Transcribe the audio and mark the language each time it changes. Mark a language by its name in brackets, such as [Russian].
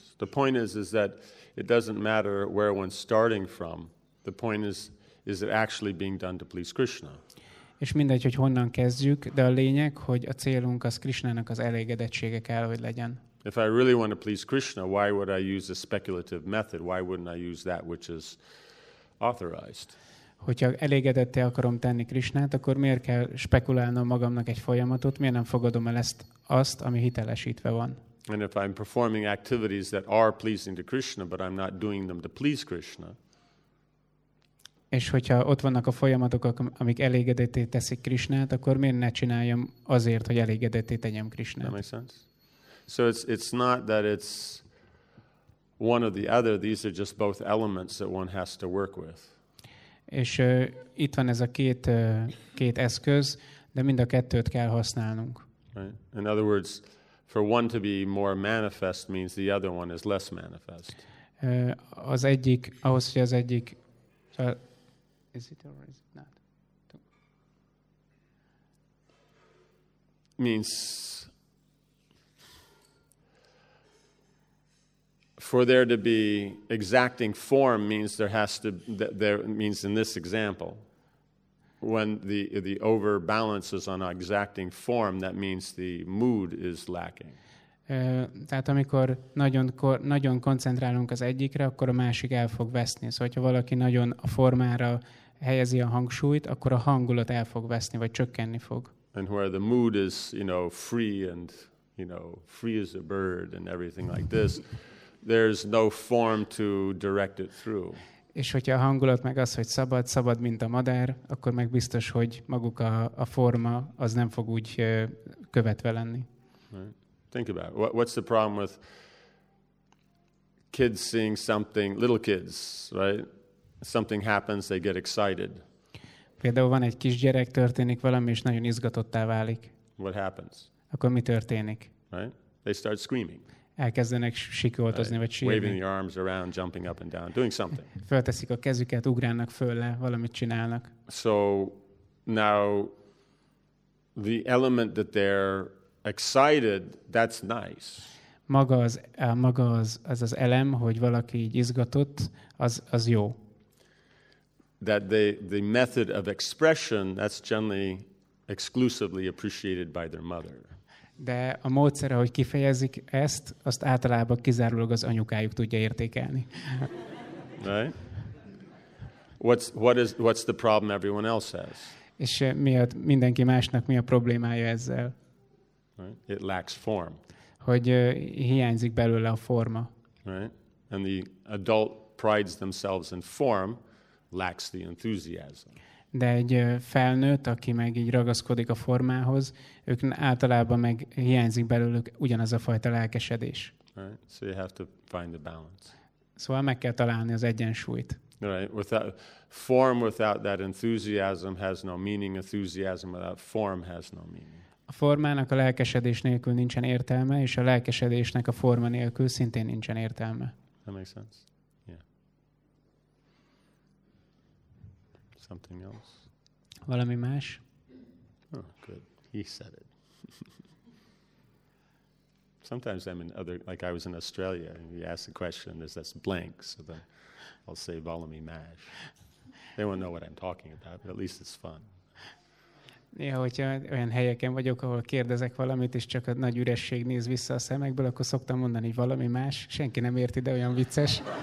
[English] The point is that it doesn't matter where one's starting from. The point is it actually being done to please Krishna. [Hungarian] És mindegy, hogy honnan kezdjük, de a lényeg, hogy a célunk az Krishnának az elégedettsége kell, hogy legyen. [English] If I really want to please Krishna, why would I use a speculative method? Why wouldn't I use that which is authorized? [Hungarian] Hogyha elégedetté akarom tenni Krishnát, akkor miért kell spekulálnom magamnak egy folyamatot? Miért nem fogadom el ezt azt, ami hitelesítve van? [English] And if I'm performing activities that are pleasing to Krishna, but I'm not doing them to please Krishna, [Hungarian] és hogyha ott vannak a folyamatok, amik elégedetté teszik Krishnát, akkor miért ne csináljam azért, hogy elégedetté tegyem Krishnát? [English] That makes sense. So it's not that it's one or the other. These are just both elements that one has to work with. [Hungarian] És itt van ez a két eszköz, de mind a kettőt kell használnunk. [English] Right. In other words, for one to be more manifest means the other one is less manifest. [Hungarian] Az egyik, ahhoz, hogy az egyik [English] is it or is it not? means for there to be exacting form means there has to there means in this example when the overbalance is on exacting form that means the mood is lacking. [Hungarian] Tehát amikor nagyon koncentrálunk az egyikre, akkor a másik el fog veszni. Szóval, ha valaki nagyon a formára helyezi a hangsúlyt, akkor a hangulat el fog veszni, vagy csökkenni fog. [English] And where the mood is, you know, free and, you know, free as a bird and everything like this, there's no form to direct it through. [Hungarian] És hogyha a hangulat meg az, hogy szabad, szabad, mint a madár, akkor meg biztos, hogy maguk a forma, az nem fog úgy követve lenni. [English] Right. Think about it. What's the problem with kids seeing something, little kids, right? Something happens, they get excited. [Hungarian] Például van egy kisgyerek, történik valami, és nagyon izgatottá válik. [English] What happens? [Hungarian] Akkor mi történik? [English] Right? They start screaming. [Hungarian] Elkezdenek sikoltozni, vagy sírni. [English] Waving their arms around, jumping up and down, doing something. [Hungarian] Fölteszik a kezüket, ugrálnak föl le, valamit csinálnak. [English] So now the element that they're excited, that's nice. [Hungarian] Maga az elem, hogy valaki így izgatott, az jó. [English] That the method of expression, that's generally exclusively appreciated by their mother. [Hungarian] De a módszer, ahogy kifejezik ezt, azt általában kizárólag az anyukájuk tudja értékelni. [English] Right? What's the problem everyone else has? [Hungarian] És miatt mindenki másnak mi a problémája ezzel? [English] Right? It lacks form. [Hungarian] Hogy hiányzik belőle a forma. [English] Right? And the adult prides themselves in form, lacks the enthusiasm. [Hungarian] De egy felnőtt, aki meg így ragaszkodik a formához, ők általában meg hiányzik belőlük ugyanaz a fajta lelkesedés. [English] Right? So you have to find the balance. [Hungarian] Szóval meg kell találni az egyensúlyt. [English] Right. Without form, without that enthusiasm has no meaning. Enthusiasm without form has no meaning. [Hungarian] A formának a lelkesedés nélkül nincsen értelme, és a lelkesedésnek a forma nélkül szintén nincsen értelme. [English] That makes sense. Yeah. Something else. [Hungarian] Valami más? [English] Oh, good. He said it. Sometimes I'm in other, like I was in Australia, and you ask a question, there's this blank, so then I'll say [Hungarian] valami más. [English] They won't know what I'm talking about, but at least it's fun. [Hungarian] Néha, hogyha olyan helyeken vagyok, ahol kérdezek valamit, és csak a nagy üresség néz vissza a szemekből, akkor szoktam mondani, hogy valami más. Senki nem érti, de olyan vicces.